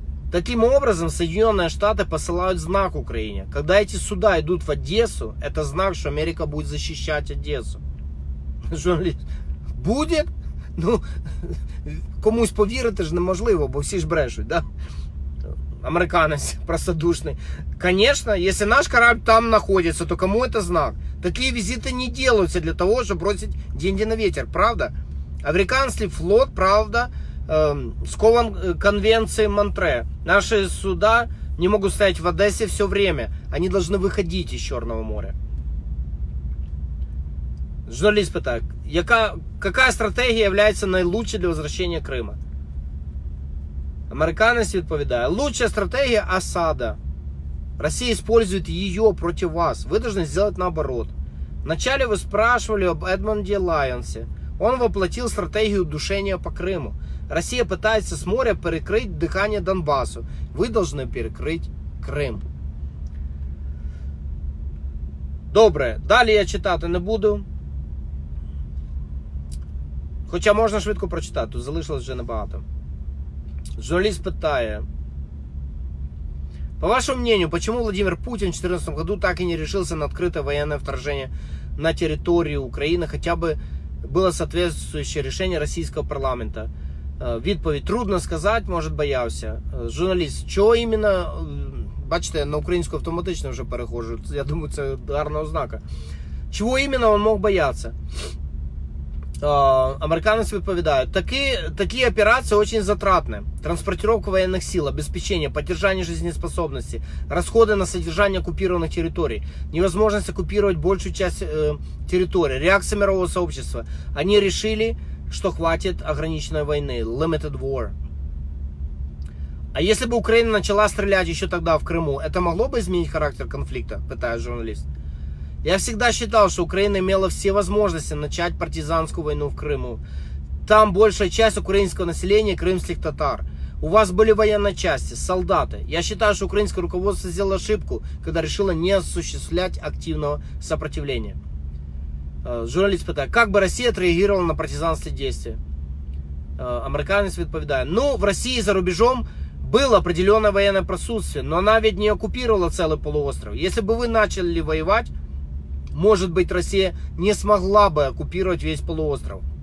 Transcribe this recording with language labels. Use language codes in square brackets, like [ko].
[ru] Таким образом, Соединенные Штаты посылают знак Украине. Когда эти суда идут в Одессу, это знак, что Америка будет защищать Одессу. Журналист. Будет? [uk] Ну, комусь повірити ж неможливо, бо всі ж брешуть, да? Американець простодушний. [ru] Конечно, если наш корабль там находится, то кому это знак? Такие визиты не делаются для того, чтобы бросить деньги на ветер, правда? Американский флот, правда, скован конвенцией Монтре. Наши суда не могут стоять в Одессе все время. Они должны выходить из Черного моря. Журналист питает, какая стратегия является наилучшей для возвращения Крыма? Американец отвечает, лучшая стратегия – осада. Россия использует ее против вас. Вы должны сделать наоборот. Вначале вы спрашивали об Эдмонде Лайонсе. Он воплотил стратегию душения по Крыму. [uk] Росія намагається з моря перекрити дихання Донбасу. Ви повинні перекрити Крим. Добре, далі я читати не буду. Хоча можна швидко прочитати, тут залишилось вже небагато. Журналіст питає. По вашому мнению, чому Владимир Путін в 2014 году так і не рішився на відкрите воєнне вторження на територію України, хоча б було відповідальне рішення російського парламенту? Відповідь. Трудно сказати, може боявся. Журналіст. Чого іменно... Бачите, на українську автоматично вже перехожу. Я думаю, це гарна ознака. Чого іменно він мог боятися? Американець відповідає. Такі операції дуже затратні. Транспортировка воєнних сил, обезпечення, підтримання життєздатності, розходи на содержання окупованих територій, невозможність окупувати більшу частину території, реакція мирового сообщества. Вони вирішили... [ru] что хватит ограниченной войны. [en] Limited war. [ru] А если бы Украина начала стрелять еще тогда в Крыму, это могло бы изменить характер конфликта? Пытает журналист. Я всегда считал, что Украина имела все возможности начать партизанскую войну в Крыму. Там большая часть украинского населения крымских татар. У вас были военные части, солдаты. Я считаю, что украинское руководство сделало ошибку, когда решило не осуществлять активного сопротивления. [uk] Журналіст питає, як би Росія відреагувала на партизанські дії? Американець відповідає, ну, в Росії за рубежом було определене воєнне присутствие, але навіть не окупувала цілий полуостров. Якщо б ви почали воювати, може бути, Росія не змогла б окупувати весь полуостров.